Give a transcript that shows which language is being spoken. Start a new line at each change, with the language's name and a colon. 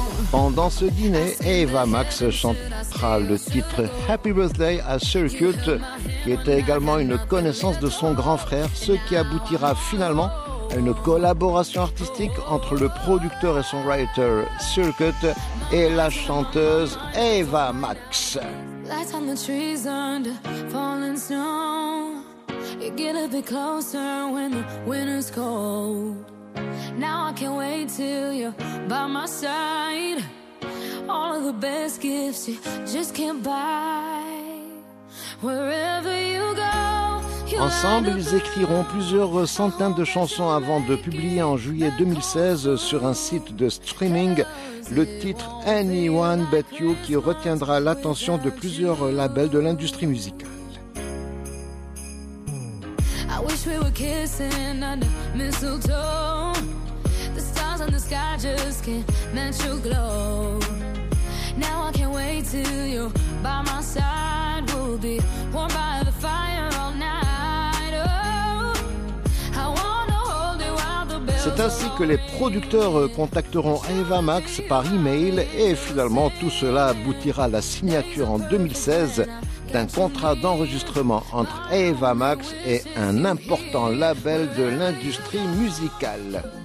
French: Pendant ce dîner, Eva Max chantera le titre Happy Birthday à Circuit, qui était également une connaissance de son grand frère, ce qui aboutira finalement à une collaboration artistique entre le producteur et son writer Circuit et la chanteuse Eva Max.
English: Lights on the trees under falling snow. You get a bit closer when the winter's cold. Now I can't wait till you're by my side. All of the best gifts you just can't buy. Wherever you go.
French: Ensemble, ils écriront plusieurs centaines de chansons avant de publier en juillet 2016 sur un site de streaming le titre Anyone But You, qui retiendra l'attention de plusieurs labels de l'industrie musicale.
English: I wish we were kissing under mistletoe. The stars in the sky just can't match your glow. Now I can't wait till you're by my side. We'll be warm by the fire all night. Oh, I wanna hold you while the bells.
French: C'est ainsi que les producteurs contacteront Eva Max par email, et finalement tout cela aboutira à la signature en 2016 d'un contrat d'enregistrement entre Eva Max et un important label de l'industrie musicale.